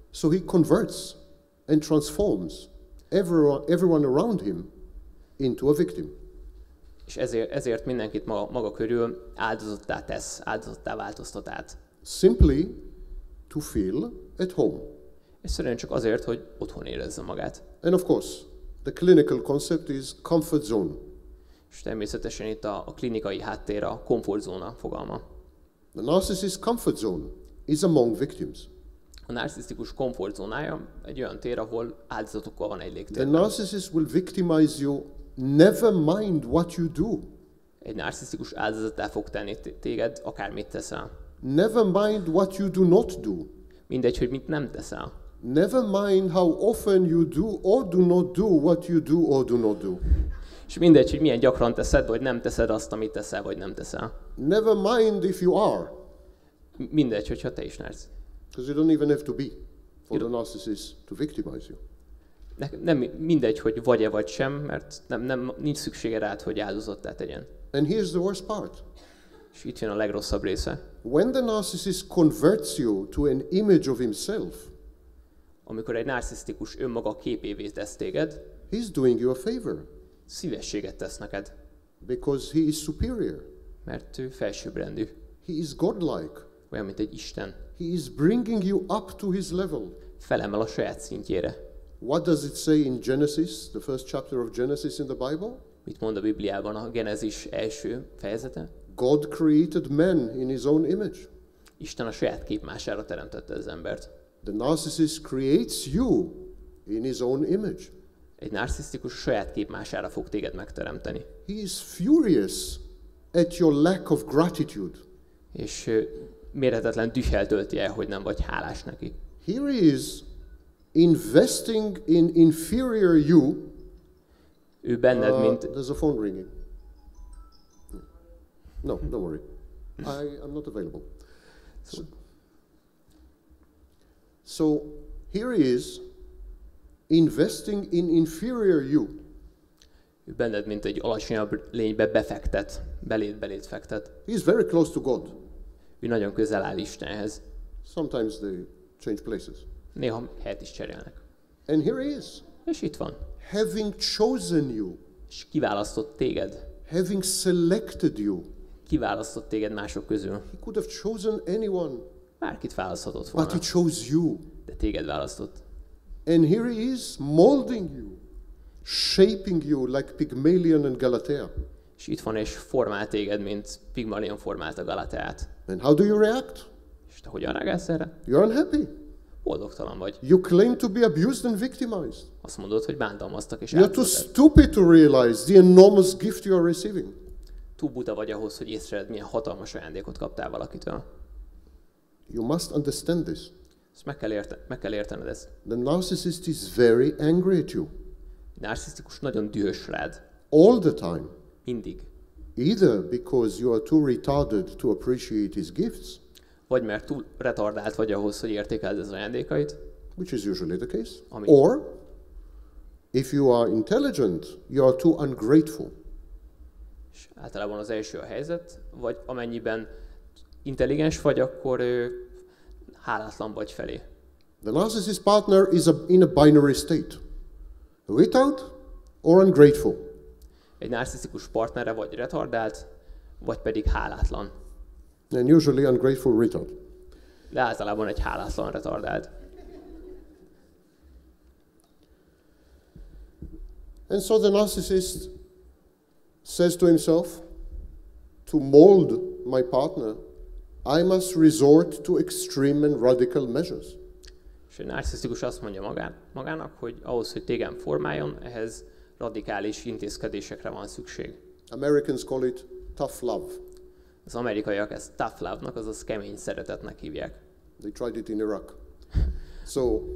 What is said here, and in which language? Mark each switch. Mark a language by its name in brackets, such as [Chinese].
[English] So he converts and transforms everyone around him into a victim. [Hungarian] És ezért mindenkit maga körül áldozattá tesz, áldozattá változtat át. [English] Simply to feel at home. [Hungarian] Egyszerűen csak azért, hogy otthon érezze magát. [English] And of course, the clinical concept is comfort zone. [Hungarian] És természetesen itt a klinikai háttér a komfortzóna fogalma. [English] The narcissist comfort zone is among victims. [Hungarian] A narcisztikus komfortzónája egy olyan tér, ahol áldozatokkal van egy légtérben. [English] The narcissist will victimize you. Never mind what you do. [Hungarian] Egy narcisztikus áldozattá fog tenni téged, akármit teszel. [English] Never mind what you do not do. [Hungarian] Mindegy, hogy mit nem teszel. [English] Never mind how often you do or do not do what you do or do not do. [Hungarian] És mindegy, hogy milyen gyakran teszed, vagy nem teszed azt, amit teszel, vagy nem teszel. [English] Never mind if you are. [Hungarian] Mindegy, hogyha te is narcisz. [English] Because you don't even have to be for the narcissist to victimize you. [Hungarian] Nem mindegy, hogy vagy-e vagy sem, mert nem nincs szüksége rád, hogy áldozattá tegyen. [English] And here's the worst part. [Hungarian] És itt jön a legrosszabb része. [English] When the narcissist converts you to an image of himself, [Hungarian] amikor egy narcisztikus önmaga képévé tesz téged, [English] he's doing you a favor. [Hungarian] Szívességet tesz neked. [English] Because he is superior. [Hungarian] Mert ő felsőbbrendű. [English] He is godlike. [Hungarian] Olyan, mint egy Isten. [English] He is bringing you up to his level. [Hungarian] Felemel a saját szintjére. [English] What does it say in Genesis, the first chapter of Genesis in the Bible? [Hungarian] Mit mond a Bibliában a Genesis első fejezete? [English] God created man in his own image. [Hungarian] Isten a saját képmására teremtette az embert. [English] The narcissist creates you in his own image. [Hungarian] Egy narcisztikus saját képmására fog téged megteremteni. [English] He is furious at your lack of gratitude. [Hungarian] És méretetlen dühhel tölti el, hogy nem vagy hálás neki. [English] Here is investing in inferior you. [Hungarian] Ő benned, mint... [English] There's a phone ringing. No, don't worry. I'm not available. So here he is investing in inferior you. [Hungarian] Ő benned, mint egy alacsonyabb lénybe befektet, beléd fektet. [English] He is very close to God. [Hungarian] Ő nagyon közel áll Istenhez. [English] Sometimes they change places. [Hungarian] Néha helyet is cserélnek. [English] And here he is. [Hungarian] És itt van. [English] Having chosen you. [Hungarian] És kiválasztott téged. [English] Having selected you. [Hungarian] Kiválasztott téged mások közül. [English] He could have chosen anyone. [Hungarian] Bárkit választhatott volna. [English] But he chose you. [Hungarian] De téged választott. [English] And here he is molding you, shaping you like Pygmalion and Galatea. [Hungarian] És itt van és formál téged, mint Pygmalion formálta Galateát. [English] And how do you react? [Hungarian] És te hogyan reagálsz erre? [English] You're unhappy. [Hungarian] Boldogtalan vagy. [English] You claim to be abused and victimized. [Hungarian] Azt mondod, hogy bántalmaztak és átadtad. [English] You're too stupid to realize the enormous gift you are receiving. [Hungarian] Túl buta vagy ahhoz, hogy észreved, milyen hatalmas ajándékot kaptál valakitől. [English] You must understand this. [Hungarian] Ezt meg kell értened ezt. [English] The narcissist is very angry at you. [Hungarian] A narcisztikus nagyon dühös rád. [English] All the time. [Hungarian] Mindig. [English] Either because you are too retarded to appreciate his gifts. [Hungarian] Vagy mert túl retardált vagy ahhoz, hogy értékeld az ajándékait. [English] Which is usually the case. Or, if you are intelligent, you are too ungrateful. [Hungarian] És általában az első a helyzet, vagy amennyiben intelligens vagy, akkor hálátlan vagy felé. [English] The narcissist partner is in a binary state. Retard or ungrateful. [Hungarian] Egy narcisztikus partnere vagy retardált, vagy pedig hálátlan. [English] And usually ungrateful retard. [Hungarian] De általában egy hálátlan retardált. [English] And so the narcissist says to himself, to mold my partner, I must resort to extreme and radical measures. [Hungarian] És a narcisztikus azt mondja magának, hogy ahhoz, hogy tégem formáljon, ehhez radikális intézkedésekre van szükség. [English] Americans call it tough love. [Hungarian] Az amerikaiak ezt tough love-nak, azaz kemény szeretetnek hívják. [English] They tried it in Iraq. So,